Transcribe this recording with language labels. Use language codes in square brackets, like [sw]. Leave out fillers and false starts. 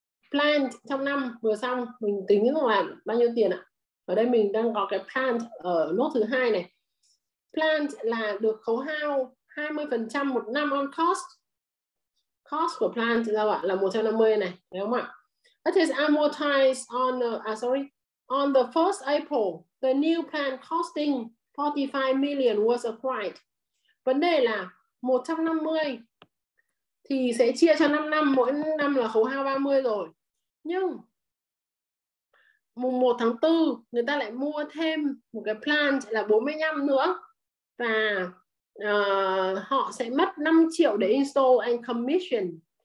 [vi] Plant trong năm vừa xong mình tính là bao nhiêu tiền ạ? Ở đây mình đang có cái plant ở nốt thứ hai này. Plant là được khấu hao 20% một năm [en] on cost. [vi] cost per plant là bạn là 150 này, đúng không ạ? [en] It is amortized on the on the 1st April, the new plant costing 45 million was acquired. [vi] Vấn đề là 150 thì sẽ chia cho 5 năm, mỗi năm là khấu hao 30 rồi. Nhưng mùng 1 tháng 4 người ta lại mua thêm một cái plant là 45 nữa và họ sẽ mất 5 triệu để [en] install and commission.